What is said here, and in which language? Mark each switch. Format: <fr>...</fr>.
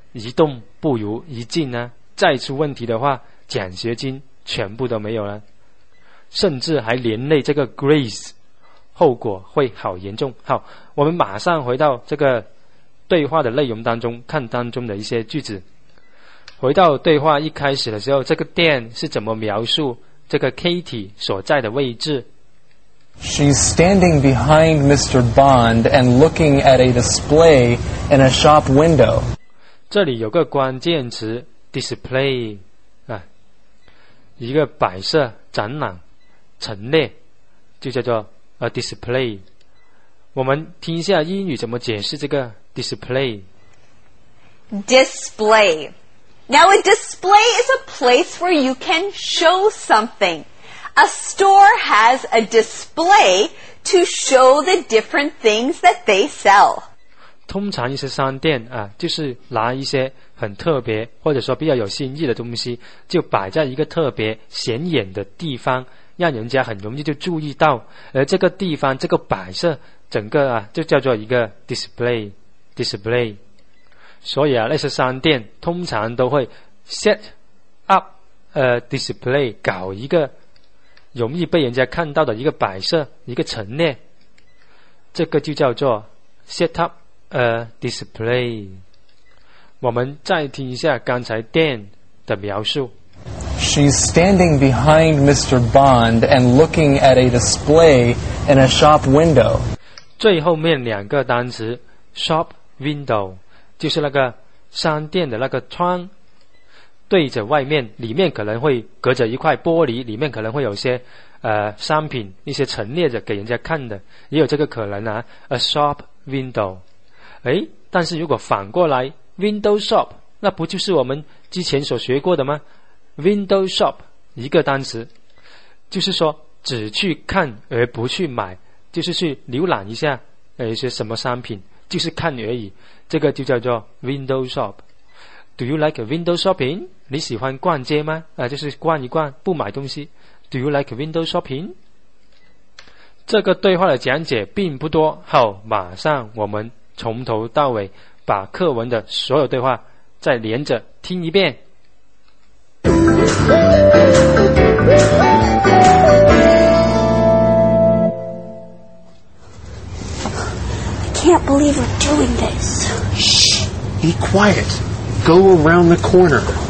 <zh>一动不如一静再出问题的话，奖学金全部都没有了，甚至还连累这个 Grace， 后果会好严重。好，我们马上回到这个对话的内容当中，看当中的一些句子。回到对话一开始的时候，这个 Dan 是怎么描述这个 Katie 所在的位置？</zh> <en>She she's standing behind Mr. Bond and looking at a display in a shop window.</en> <zh>这里有个关键词 display、啊、一个摆设展览陈列就叫做 a display。我们听一下英语怎么解释这个 display。</zh> <en>Display. Now a display is a place where you can show something. A store has a display to show the different things that they sell.</en> <zh>通常一些商店、啊、就是拿一些很特别或者说比较有新意的东西就摆在一个特别显眼的地方让人家很容易就注意到而这个地方这个摆设整个啊就叫做一个 display 所以啊那些商店通常都会</zh> <en>set up a display</en> <zh>搞一个容易被人家看到的一个摆设一个陈列这个就叫做 set up a display 我们再听一下刚才 Dan 的描述</zh> <en>She's standing behind Mr. Bond and looking at a display in a shop window.</en> <zh>最后面两个单词 shop window 就是那个商店的那个窗对着外面里面可能会隔着一块玻璃里面可能会有些、商品一些陈列着给人家看的也有这个可能啊 a shop window 诶但是如果反过来 window shop 那不就是我们之前所学过的吗Window shop 一个单词就是说只去看而不去买就是去浏览一下一些什么商品就是看而已这个就叫做 window shop</zh> <en>Do you like window shopping?</en> <zh>你喜欢逛街吗、就是逛一逛不买东西</zh> <en>Do you like window shopping?</en> <zh>这个对话的讲解并不多好马上我们从头到尾把课文的所有对话再连着听一遍</zh> <en>I can't believe we're doing this. Shh! Be quiet. Go around the corner.</en>